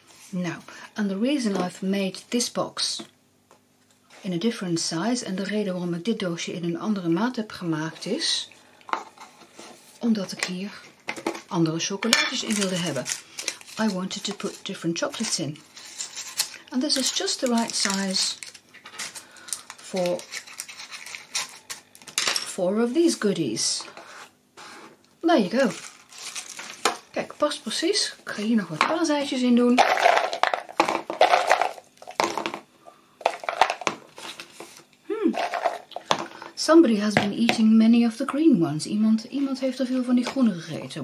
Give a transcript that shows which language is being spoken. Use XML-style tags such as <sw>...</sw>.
<en>Now, and the reason I've made this box in a different size</en> <nl>en de reden waarom ik dit doosje in een andere maat heb gemaakt is omdat ik hier andere chocolaatjes in wilde hebben.</nl> <en>I wanted to put different chocolates in. And this is just the right size for four of these goodies. There you go.</en> <nl>Kijk, past precies. Ik ga hier nog wat paaseitjes in doen.</nl> <en>Somebody has been eating many of the green ones.</en> <nl>Iemand heeft er veel van die groene gegeten.</nl>